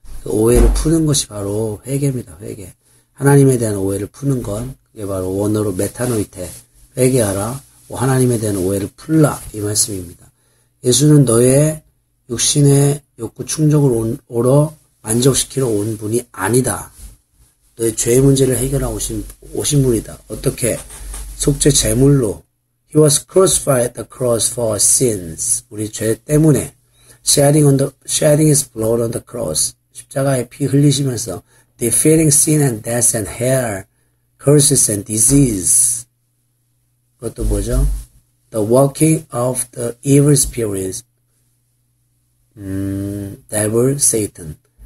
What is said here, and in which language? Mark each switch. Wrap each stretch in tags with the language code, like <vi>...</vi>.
<ko>그 오해를 푸는 것이 바로 회개입니다. 회개. 하나님에 대한 오해를 푸는 건 그게 바로 원어로 메타노이테. 회개하라. 하나님에 대한 오해를 풀라. 이 말씀입니다. 예수는 너의 육신의 욕구 충족을 오러 만족시키러 온 분이 아니다. 너의 죄 문제를 해결하고 오신 분이다. 어떻게? 속죄 제물로.</ko> <en>He was crucified at the cross for our sins.</en> <ko>우리 죄 때문에.</ko> <en>Shedding his blood on the cross.</en> <ko>십자가에 피 흘리시면서.</ko> <en>Defeating sin and death and hell. Curses and disease.</en> <ko>그것도 뭐죠?</ko> <en>The working of the evil spirits. Devil, Satan.</en>